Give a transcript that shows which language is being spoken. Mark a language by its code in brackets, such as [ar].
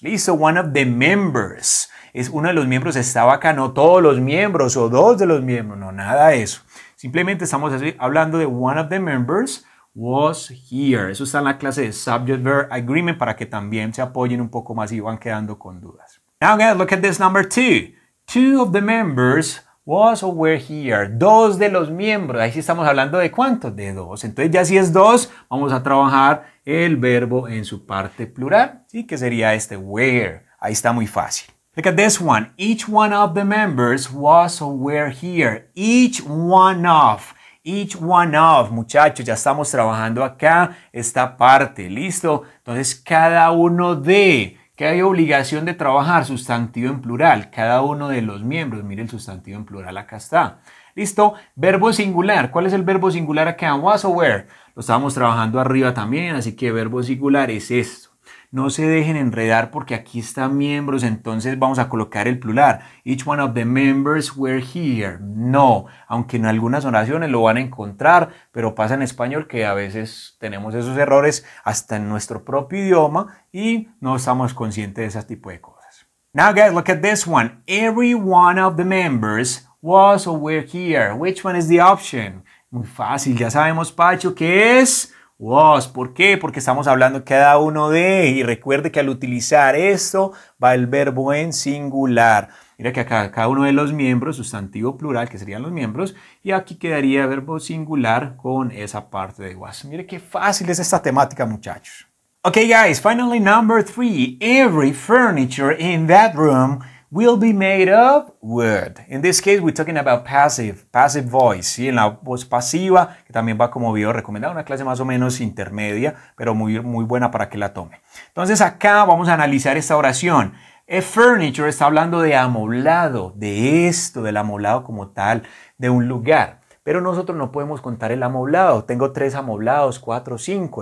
[es] Listo, [en] one of the members. [es] Es uno de los miembros, estaba acá, no todos los miembros o dos de los miembros, no, nada de eso. Simplemente estamos así, hablando de [en] one of the members was here. [es] Eso está en la clase de Subject Verb Agreement para que también se apoyen un poco más y van quedando con dudas. [en] Now, guys, look at this number two. Two of the members was or were here. [es] Dos de los miembros. Ahí sí estamos hablando de cuántos, de dos. Entonces, ya si es dos, vamos a trabajar el verbo en su parte plural, ¿sí? Que sería este were. Ahí está muy fácil. [en] Look at this one. Each one of the members was or were here. Each one of. Each one of, [es] muchachos, ya estamos trabajando acá esta parte, ¿listo? Entonces, cada uno de, ¿qué hay obligación de trabajar? Sustantivo en plural, cada uno de los miembros, mire el sustantivo en plural, acá está. ¿Listo? Verbo singular, ¿cuál es el verbo singular acá? Was o were, lo estábamos trabajando arriba también, así que verbo singular es esto. No se dejen enredar porque aquí están miembros, entonces vamos a colocar el plural. [en] Each one of the members were here. [es] No, aunque en algunas oraciones lo van a encontrar, pero pasa en español que a veces tenemos esos errores hasta en nuestro propio idioma y no estamos conscientes de ese tipo de cosas. [en] Now guys, look at this one. Every one of the members was or were here. Which one is the option? [es] Muy fácil, ya sabemos, Pacho, que es... Was, ¿por qué? Porque estamos hablando cada uno de, y recuerde que al utilizar esto va el verbo en singular. Mira que acá cada uno de los miembros, sustantivo plural, que serían los miembros, y aquí quedaría verbo singular con esa parte de was. Mire qué fácil es esta temática, muchachos. [en] Ok, guys, finally number three. Every furniture in that room will be made of wood. In this case, we're talking about passive voice. [es] ¿Sí? En la voz pasiva, que también va como video recomendado, una clase más o menos intermedia, pero muy, muy buena para que la tome. Entonces, acá vamos a analizar esta oración. A furniture está hablando de amoblado, de esto, del amoblado como tal, de un lugar. Pero nosotros no podemos contar el amoblado. Tengo tres amoblados, cuatro, cinco.